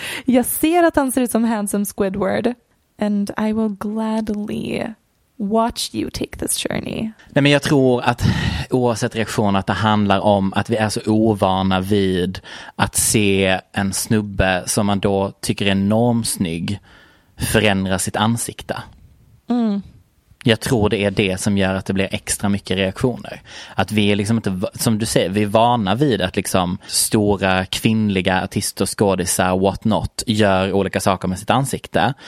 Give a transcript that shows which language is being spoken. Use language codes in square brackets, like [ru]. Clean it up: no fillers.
[sv] Jag ser att han ser ut som handsome Squidward. [en] And I will gladly watch you take this journey. [sv] Nej, men jag tror att oavsett reaktion att det handlar om att vi är så ovana vid att se en snubbe som man då tycker är enormt snygg förändra sitt ansikte. Mm. Jag tror det är det som gör att det blir extra mycket reaktioner. Att vi är liksom inte, som du säger, vi är vana vid att liksom stora kvinnliga artister, skådisar, whatnot, gör olika saker med sitt ansikte.